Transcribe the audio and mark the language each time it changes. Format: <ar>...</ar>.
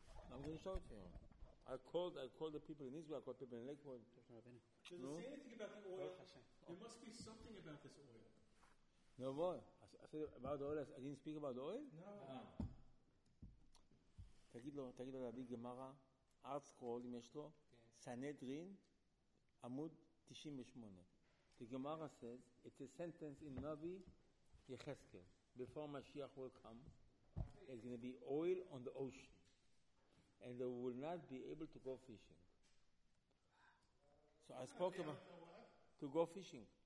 <en>I'm going to show it to him. I called the people in Israel, I called people in Lakewood. Does it say anything about the oil? There must be something about this oil. No, what? I said about the oil, I didn't speak about the oil? No.</en> <he>תגיד לו להביא גמרא, ארט סקרול, אם יש לו, סנהדרין, עמוד 98.</he> <en>The Gemara says, it's a sentence in Navi, Yechezkel. Before Mashiach will come, there's going to be oil on the ocean. And they will not be able to go fishing. So I spoke about to go fishing.</en>